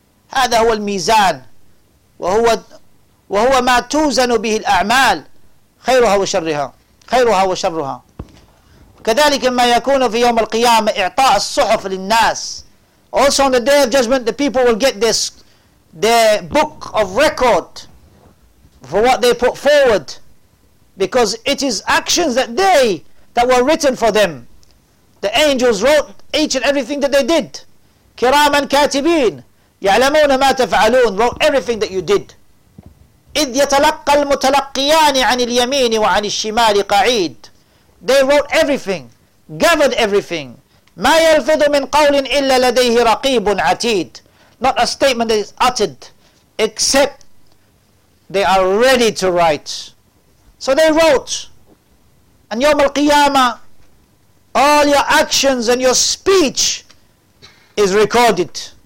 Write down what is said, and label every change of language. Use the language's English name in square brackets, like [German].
[Arabic] هذا هو الميزان وهو وهو ما توزن به الأعمال خيرها وشرها خيرها وشرها كذلك ما يكون في يوم القيامة إعطاء الصحف للناس. [English] Also on the day of judgment, the people will get this, their book of record for what they put forward, because it is actions that they that were written for them. The angels wrote each and everything that they did. [Arabic] كرام كاتبين يعلمون ما تفعلون, [English] wrote everything that you did. [Arabic] إذ يتلقى المتلقيان عن اليمين وعن الشمال قعيد. [English] They wrote everything, gathered everything. [Arabic] ما يلفظ من قول إلا لديه رقيب عتيد. [English] Not a statement that is uttered, except they are ready to write. So they wrote. And يوم القيامة, all your actions and your speech is recorded.